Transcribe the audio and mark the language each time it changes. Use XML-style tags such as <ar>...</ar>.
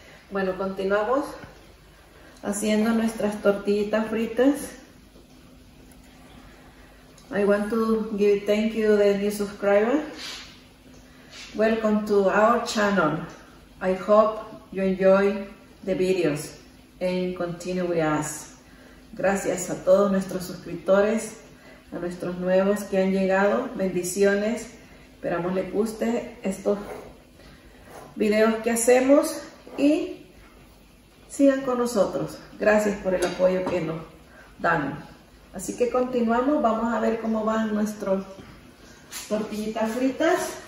<es>Bueno, continuamos haciendo nuestras tortillitas fritas.</es> <en>I want to give thank you the new subscriber. Welcome to our channel. I hope you enjoy the videos and continue with us.</en> <es>Gracias a todos nuestros suscriptores, a nuestros nuevos que han llegado. Bendiciones. Esperamos les guste estos videos que hacemos y sigan con nosotros. Gracias por el apoyo que nos dan. Así que continuamos, vamos a ver cómo van nuestras tortillitas fritas.</es>